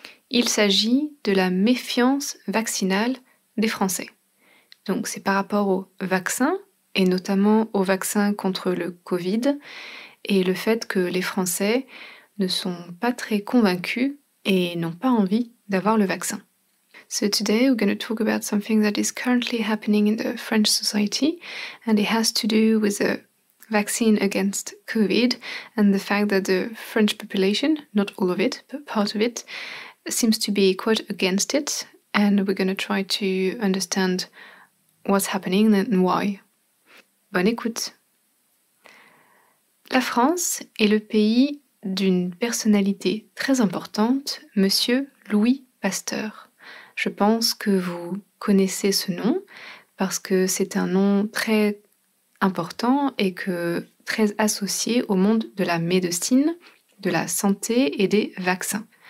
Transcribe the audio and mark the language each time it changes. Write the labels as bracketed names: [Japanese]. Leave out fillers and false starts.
[French] Il s'agit de la méfiance vaccinale des Français. Donc c'est par rapport au vaccin, et notamment au vaccin contre le Covid, et le fait que les Français ne sont pas très convaincus et n'ont pas envie d'avoir le vaccin. [English] So today we're going to talk about something that is currently happening in the French society, and it has to do with the vaccine against COVID and the fact that the French population, not all of it, but part of it, seems to be quite against it. And we're going to try to understand what's happening and why. [French] Bonne écoute. La France est le pays d'une personnalité très importante, Monsieur Louis Pasteur. Je pense que vous connaissez ce nom parce que c'est un nom très important et que très associé au monde de la médecine, de la santé et des vaccins.